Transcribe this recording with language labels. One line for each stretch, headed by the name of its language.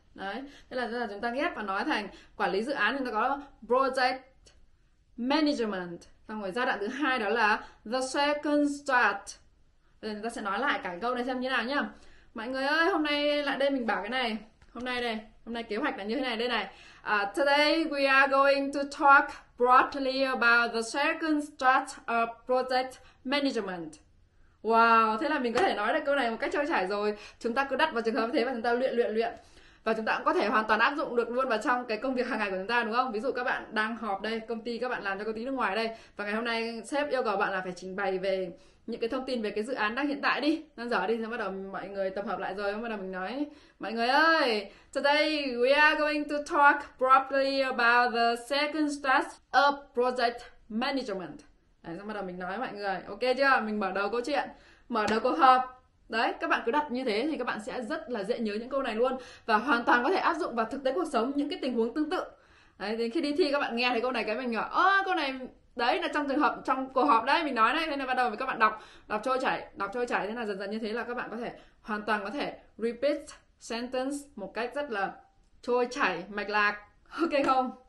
Vietnamese: Đấy, thế là chúng ta ghép và nói thành quản lý dự án thì chúng ta có project management. Xong rồi giai đoạn thứ hai đó là
English: the second start.
Vietnamese: Bây giờ chúng ta sẽ nói lại cả câu này xem như nào nhá. Mọi người ơi, hôm nay lại đây mình bảo cái này. Hôm nay này, hôm nay kế hoạch là như thế này đây này.
English: Today we are going to talk broadly about the second start of project management.
Vietnamese: Wow, thế là mình có thể nói được câu này một cách trôi chảy rồi. Chúng ta cứ đặt vào trường hợp thế và chúng ta luyện luyện luyện. Và chúng ta cũng có thể hoàn toàn áp dụng được luôn vào trong cái công việc hàng ngày của chúng ta đúng không? Ví dụ các bạn đang họp đây, công ty các bạn làm cho công ty nước ngoài đây. Và ngày hôm nay sếp yêu cầu bạn là phải trình bày về những cái thông tin về cái dự án đang hiện tại đi. Nên giờ đi, xong bắt đầu mọi người tập hợp lại rồi, xong bắt đầu mình nói. Mọi người ơi,
English: today we are going to talk properly about the second step of project management.
Vietnamese: Đấy, xong bắt đầu mình nói mọi người, ok chưa? Mình mở đầu câu chuyện, mở đầu cuộc họp. Đấy, các bạn cứ đặt như thế thì các bạn sẽ rất là dễ nhớ những câu này luôn. Và hoàn toàn có thể áp dụng vào thực tế cuộc sống những cái tình huống tương tự. Đấy, đến khi đi thi các bạn nghe thấy câu này cái mình nhỏ, câu này đấy là trong trường hợp trong cuộc họp đấy mình nói đấy, nên là bắt đầu với các bạn đọc đọc trôi chảy, đọc trôi chảy, thế là dần dần như thế là các bạn có thể hoàn toàn có thể repeat sentence một cách rất là trôi chảy mạch lạc, ok không?